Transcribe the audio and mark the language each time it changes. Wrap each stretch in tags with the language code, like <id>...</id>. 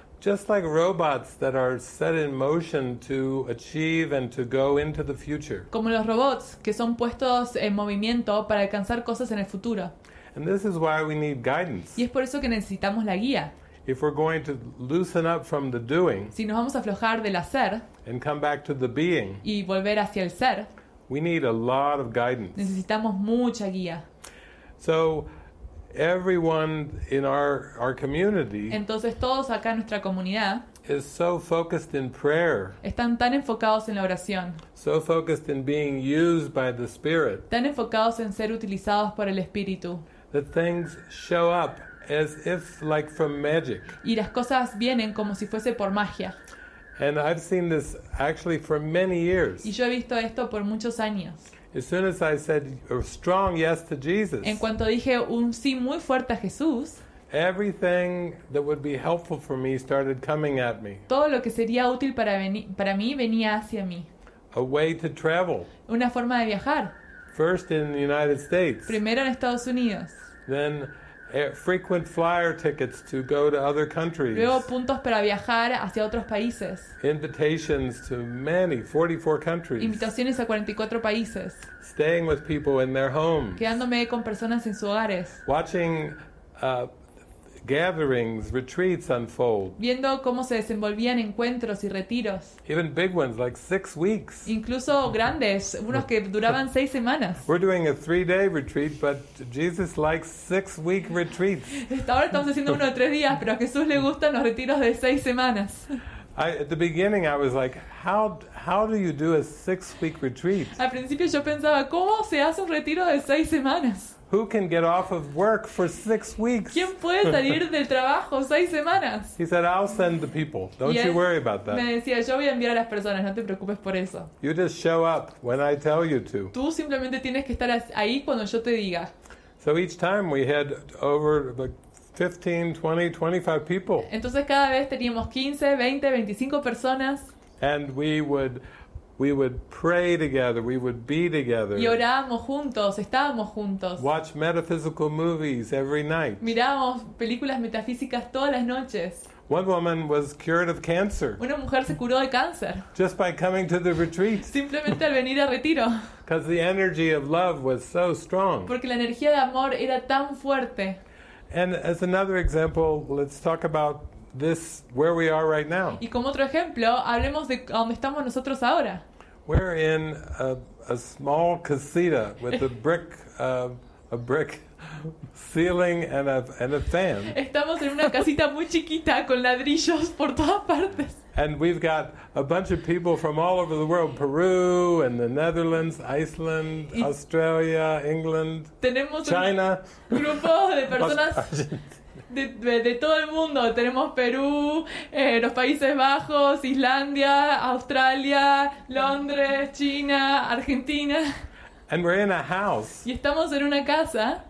<en>Just like robots that are set in motion to achieve and to go into the future.</en> <es>Como los robots que son puestos en movimiento para alcanzar cosas en el futuro.</es> <en>And this is why we need guidance.</en> <es>Y es por eso que necesitamos la guía.</es> <en>If we're going to loosen up from the doing.</en> <es>Si nos vamos a aflojar del hacer.</es> <en>And come back to the being.</en> <es>Y volver hacia el ser.</es> <en>We need a lot of guidance.</en> <es>Necesitamos mucha guía.</es> <en>So everyone in our community.</en> <es>Entonces todos acá en nuestra comunidad.</es> <en>Is so focused in prayer.</en> <es>Están tan enfocados en la oración.</es> <en>So focused in being used by the Spirit.</en> <es>Tan enfocados en ser utilizados por el Espíritu.</es> <en>That things show up as if like from magic.</en> <es>Y las cosas vienen como si fuese por magia.</es> <en>And I've seen this actually for many years.</en> <es>Y yo he visto esto por muchos años.</es> <en>As soon as I said a strong yes to Jesus.</en> <es>En cuanto dije un sí muy fuerte a Jesús.</es> <en>Everything that would be helpful for me started coming at me.</en> <es>Todo lo que sería útil para mí venía hacia mí.</es> <en>A way to travel.</en> <es>Una forma de viajar.</es> <en>First in the United States.</en> <es>Primero en Estados Unidos.</es> <en>Then frequent flyer tickets to go to other countries.</en> <es>Luego puntos para viajar hacia otros países.</es> <en>Invitations to many 44 countries.</en> <es>Invitaciones a 44 países.</es> <en>Staying with people in their homes.</en> <es>Quedándome con personas en sus hogares.</es> <en>Watching gatherings, retreats unfold.</en> <es>Viendo cómo se desenvolvían encuentros y retiros.</es> <en>Even big ones like 6 weeks.</en> <es>Incluso grandes, unos que duraban 6 semanas.</es> <en>We're doing a 3-day retreat, but Jesus likes 6-week retreats.</en> <es>Ahora estamos haciendo uno de 3 días, pero a Jesús le gustan los retiros de 6 semanas.</es> <en>At the beginning, I was like, how do you do a 6-week retreat?</en> <es>Al principio yo pensaba, ¿cómo se hace un retiro de 6 semanas?</es> <en>Who can get off of work for 6 weeks?</en> <es>¿Quién puede salir del trabajo 6 semanas?</es> <en>He said, "I'll send the people. Don't you worry about that."</en> <es>Me decía, yo voy a enviar a las personas. No te preocupes por eso.</es> <en>You just show up when I tell you to.</en> <es>Tú simplemente tienes que estar ahí cuando yo te diga.</es> <en>So each time we had over like 15, 20, 25 people.</en> <es>Entonces cada vez teníamos 15, 20, 25 personas.</es> <en>And we would pray together, we would be together.</en> <es>Y orábamos juntos, estábamos juntos.</es> <en>Watch metaphysical movies every night.</en> <es>Mirábamos películas metafísicas todas las noches.</es> <en>One woman was cured of cancer.</en> <es>Una mujer se curó de cáncer.</es> <en>Just by coming to the retreat.</en> <es>Simplemente al venir al retiro.</es> <en>Because the energy of love was so strong.</en> <es>Porque la energía de amor era tan fuerte.</es> <en>And as another example, let's talk about this where we are right now.</en> <es>Y como otro ejemplo, hablemos de dónde estamos nosotros ahora.</es> <en>We're in a small casita with a brick ceiling and a fan.</en> <es>Estamos en una casita muy chiquita con ladrillos por todas partes.</es> <en>And we've got a bunch of people from all over the world, Peru and the Netherlands, Iceland, Australia, England,</en> <es>tenemos</es> <en>China.</en> <es>Un grupo de personas De todo el mundo. Tenemos Perú, los Países Bajos, Islandia, Australia, Londres, China, Argentina.</es> <en>And we're in a house.</en> <es>Y estamos en una casa.</es>